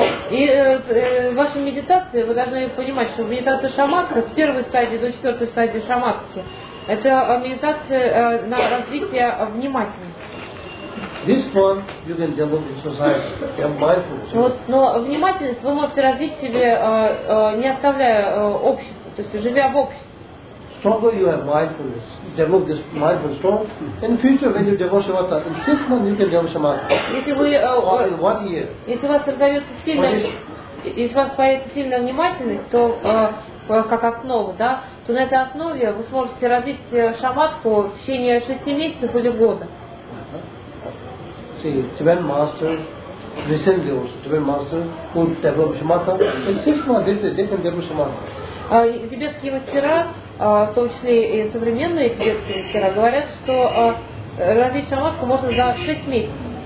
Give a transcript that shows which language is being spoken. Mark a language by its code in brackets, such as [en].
[ru] И в вашей медитации вы должны понимать, что медитация шаматха с первой стадии до четвертой стадии шаматхи. Это медитация на развитие внимательности. [en] This one you can develop in society, your mindfulness. [ru] Но внимательность вы можете развить себе, не оставляя общество, то есть живя в обществе. [en] Stronger you have mindfulness, develop this mindfulness strong. In future when you develop shamatha, in 6 months you can develop shamatha. [ru] Если вы, если у вас создается сильная, если у вас появится сильная внимательность, то как основу, да, то на этой основе вы сможете развить шаматху в течение 6 месяцев или года. [en] See, Tibetan master, recently also, Tibetan master who developed shamatha, in 6 months they can develop shamatha. [ru] Тибетские мастера, в том числе и современные тибетские мастера, говорят, что развить шаматху можно за 6 месяцев.